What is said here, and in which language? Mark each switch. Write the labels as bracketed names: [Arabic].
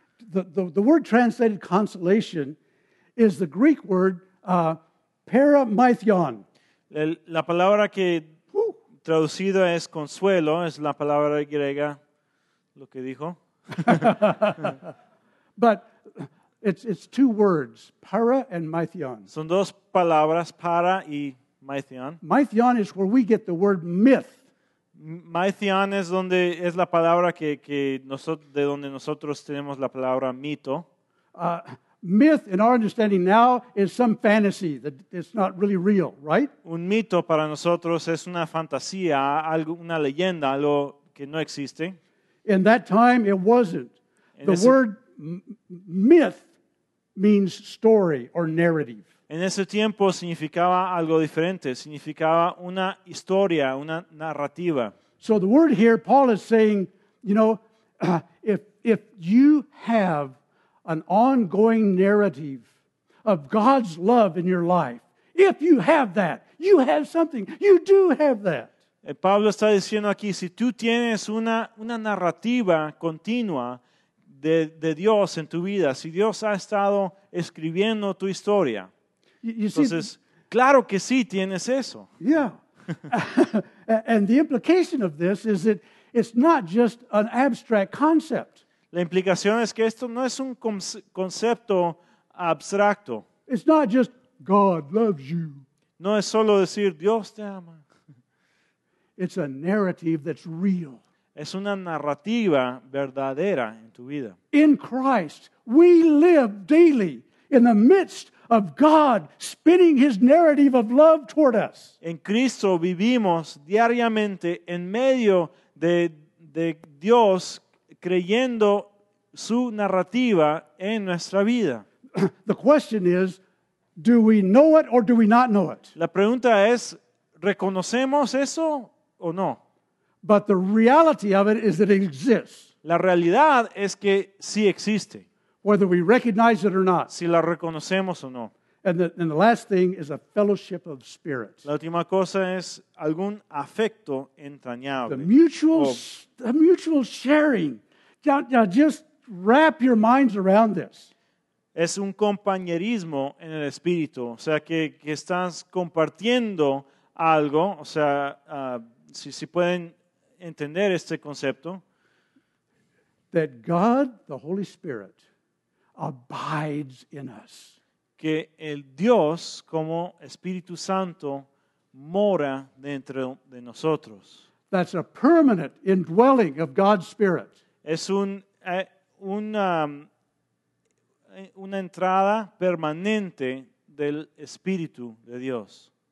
[English] The word translated consolation is the Greek word paramythion. [Spanish] La palabra que traducida es consuelo es la palabra griega lo que dijo. [English] But it's two words, para and mythion. [Spanish] Son dos palabras, para y mythion. [English] Mythion is where we get the word myth. [Spanish] Mythion es donde es la palabra que nosotros de donde nosotros tenemos la palabra mito. [English] Myth in our understanding now is some fantasy that it's not really real, right? [Spanish] Un mito para nosotros es una fantasía, algo, una leyenda, algo que no existe. [English] In that time it wasn't. The word myth means story or narrative. [Spanish] En ese tiempo significaba algo diferente, significaba una historia, una narrativa. [English] So the word here, Paul is saying, you know, if you have an ongoing narrative of God's love in your life, if you have that, you have something, you do have that. [Spanish] Pablo está diciendo aquí, si tú tienes una narrativa continua de Dios en tu vida, si Dios ha estado escribiendo tu historia, [English] you see, [Spanish] entonces, claro que sí, tienes eso. [English] Yeah. And the implication of this is that it's not just an abstract concept. [Spanish] La implicación es que esto no es un concepto abstracto. [English] It's not just God loves you. [Spanish] No es solo decir Dios te ama. [English] It's a narrative that's real. [Spanish] Es una narrativa verdadera en tu vida. [English] In Christ, we live daily in the midst of God spinning his narrative of love toward us. [Spanish] En Cristo vivimos diariamente en medio de Dios creyendo su narrativa en nuestra vida. [English] The question is, do we know it or do we not know it? [Spanish] La pregunta es, ¿reconocemos eso o no? [English] But the reality of it is that it exists. [Spanish] La realidad es que sí existe. [English] Whether we recognize it or not. [Spanish] Si la reconocemos o no. [English] And the last thing is a fellowship of spirit. [Spanish] La última cosa es algún afecto entrañable. [English] The mutual sharing. Now just wrap your minds around this. [Spanish] Es un compañerismo en el espíritu. O sea, que estás compartiendo algo. O sea, si pueden entender este concepto. [English] That God, the Holy Spirit, abides in us. [Spanish] Que el Dios como Espíritu Santo mora dentro de nosotros. [English] That's a permanent indwelling of God's Spirit. [Spanish] Es una entrada permanente del Espíritu de Dios.